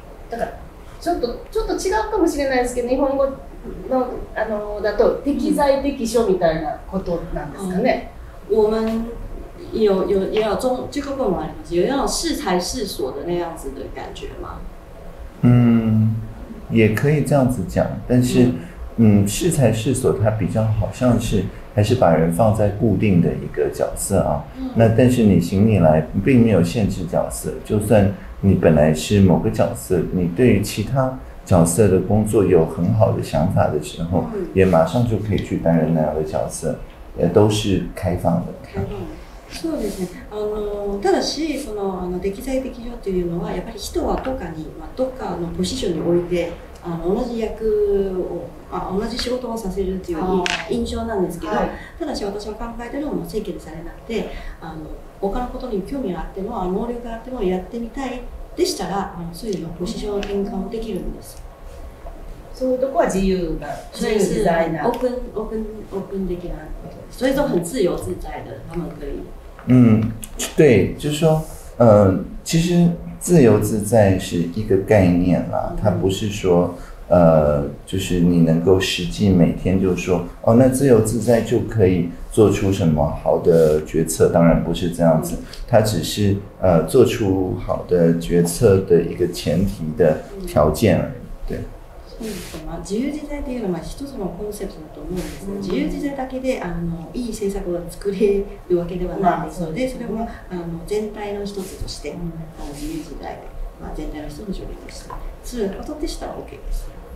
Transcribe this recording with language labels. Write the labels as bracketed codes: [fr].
[ja] だからちょっと違うかもしれないですけど、日本語のだと適材適所みたいなことなんですかね。 [zh] 我们有中这个部分 [ja] あります。 [zh] 有那种适才适所的那样子的感觉吗？也可以这样子讲，但是适才适所它比较好像是还是把人放在固定的一个角色啊。那但是你行你来并没有限制角色，就算你本来是某个角色，你对于其他角色的工作有很好的想法的时候，也马上就可以去担任那样的角色，也都是开放的。 [ja] そうですね。ただし、適材適所というのは、やっぱり人はどこかに、まあ、どこかのポジションにおいて、同じ役を、同じ仕事をさせるという印象なんですけど、ただし私は考えているのも制限されなくて、他のことに興味があっても、能力があってもやってみたいでしたら、そういうのポジション転換もできるんです。そういうとこは自由が、自由自在な。オープン的な。 [zh] 所以都很自由自在的，他们可以。对，就是说，其实自由自在是一个概念啦，它不是说，就是你能够实际每天就说，哦，那自由自在就可以做出什么好的决策，当然不是这样子，它只是做出好的决策的一个前提的条件而已。对， [ja] まあ、自由自在というのは一つのコンセプトだと思うんですが、自由自在だけであのいい政策を作れるわけではないですので、それもあの全体の一つとして、あの自由自在、まあ、全体の一つの条例としてそういうことでしたら OK です。